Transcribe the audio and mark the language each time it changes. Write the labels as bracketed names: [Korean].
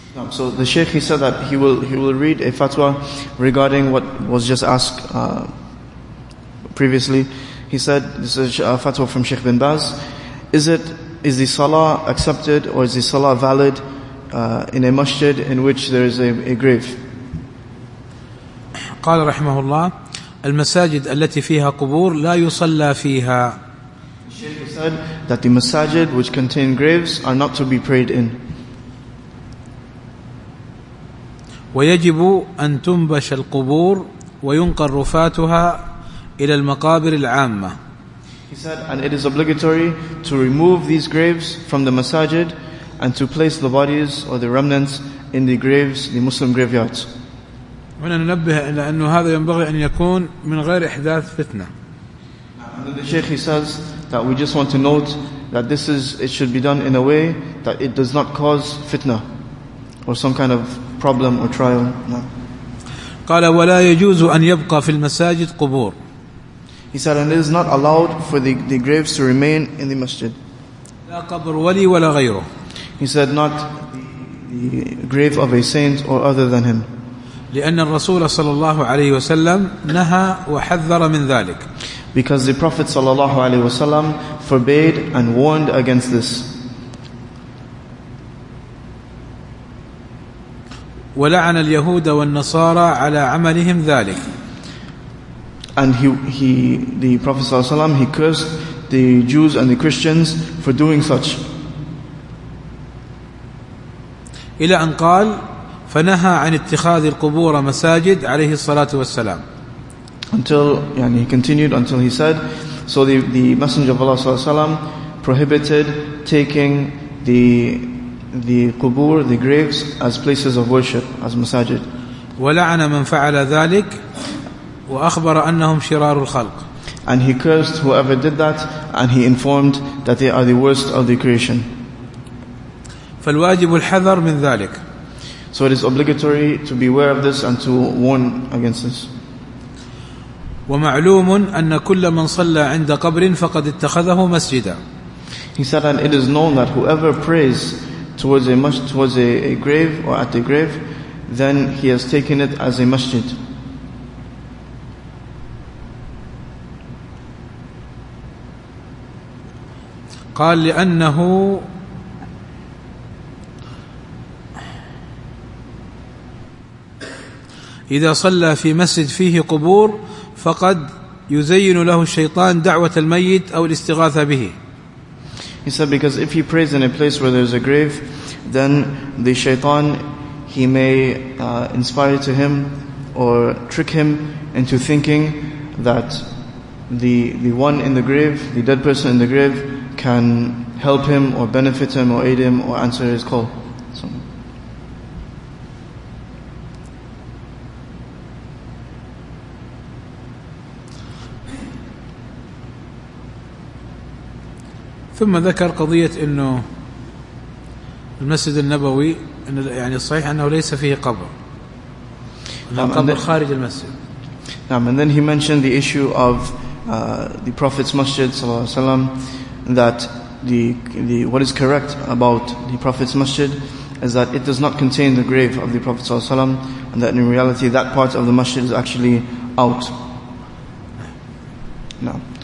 [English] So the Sheikh, he said that he will read a fatwa regarding what was just asked previously. He said, this is a fatwa from Sheikh bin Baz. Is the salah accepted or is the salah valid in a masjid in which there is a grave? [Arabic] قال رحمه الله المساجد التي فيها قبور لا يصلى فيها. [English] Sheikh said that the masajid which contain graves are not to be prayed in. [Arabic] ويجب أن تنبش القبور وينقل رفاتها إلى المقابر العامة. [English] He said, and it is obligatory to remove these graves from the masajid and to place the bodies or the remnants in the graves, the Muslim graveyards. [Arabic] هنا ننبه إلى أن هذا ينبغي أن يكون من غير إحداث فتنة. [English] And the Sheikh, he says that we just want to note that this is, it should be done in a way that it does not cause fitna or some kind of problem or trial. [Arabic] قال ولا يجوز أن يبقى في المساجد قبور. [English] He said, and it is not allowed for the graves to remain in the masjid. [Arabic] لا قبر ولي ولا غيره. [English] He said, not the grave of a saint or other than him. [Arabic] لأن الرسول صلى الله عليه وسلم نهى وحذر من ذلك. [English] Because the Prophet صلى الله عليه وسلم forbade and warned against this. [Arabic] ولعن اليهود والنصارى على عملهم ذلك. [English] And the Prophet ﷺ, he cursed the Jews and the Christians for doing such. [Arabic] إلى أن قال فنهى عن اتخاذ القبور مساجد عليه الصلاة والسلام. [English] Until he said, so the Messenger of Allah ﷺ prohibited taking the qubur, the graves, as places of worship, as masajid. [Arabic] ولعن من فعل ذلك وأخبر أنهم شرار الخلق. [English] And he cursed whoever did that, and he informed that they are the worst of the creation. [Arabic] فالواجب الحذر من ذلك. [English] So it is obligatory to beware of this and to warn against this. [Arabic] ومعلوم أن كل من صلى عند قبر فقد اتخذه مسجدا. [English] He said, and it is known that whoever prays towards a grave or at a grave, then he has taken it as a masjid. [Arabic] قال لأنه إذا صلى في مسجد فيه قبور فقد يزين له الشيطان دعوة الميت أو الاستغاثة به. [English] He said, because if he prays in a place where there's a grave, then the shaitan, he may inspire to him or trick him into thinking that the one in the grave, the dead person in the grave, can help him or benefit him or aid him or answer his call. So. [Arabic] ثم ذكر قضية إنه المسجد النبوي إن يعني صحيح أنه ليس فيه قبر. قبر خارج المسجد. نعم. [English] And then he mentioned the issue of the Prophet's masjid صلى الله عليه وسلم. That the what is correct about the Prophet's masjid is that it does not contain the grave of the Prophet صلى الله عليه وسلم, and that in reality that part of the masjid is actually out. Now.